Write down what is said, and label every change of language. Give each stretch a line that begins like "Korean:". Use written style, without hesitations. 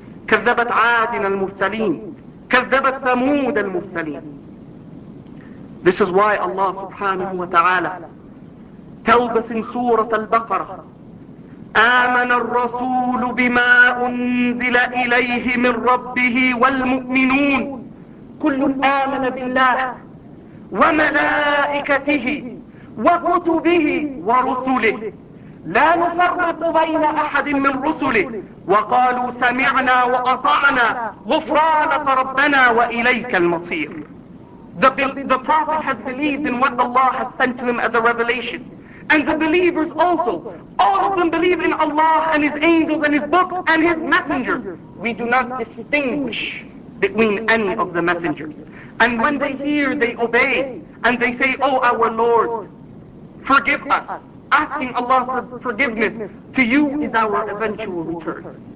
Arabic: كَذَّبَتْ عَادٍ الْمُرْسَلِينَ. كَذَّبَتْ ثَمُودَ الْمُرْسَلِينَ.
English: This is why Allah subhanahu wa ta'ala tells us in Surah Al-Baqarah,
Arabic: آمَنَ الرَّسُولُ بِمَا أُنزِلَ إِلَيْهِ مِنْ رَبِّهِ وَالْمُؤْمِنُونَ. كُلٌّ آمَنَ بِاللَّهِ وَمَلَائِكَتِهِ وَكُتُبِهِ وَرُسُلِهِ لَا نُفَرِّقُ بَيْنَ أَحَدٍ مِّنْ رُسُلِهِ وَقَالُوا سَمِعْنَا وَأَطَعْنَا غُفْرَانَكَ رَبَّنَا وَإِلَيْكَ الْمَصِيرُ.
English: The Prophet has believed in what Allah has sent to him as a revelation. and the believers also. All of them believe in Allah and His angels and His books and His messenger. We do not distinguish between any of the messengers. And when they hear, they obey. And they say, "Oh, our Lord, forgive us." Asking Allah for forgiveness to you is our eventual return.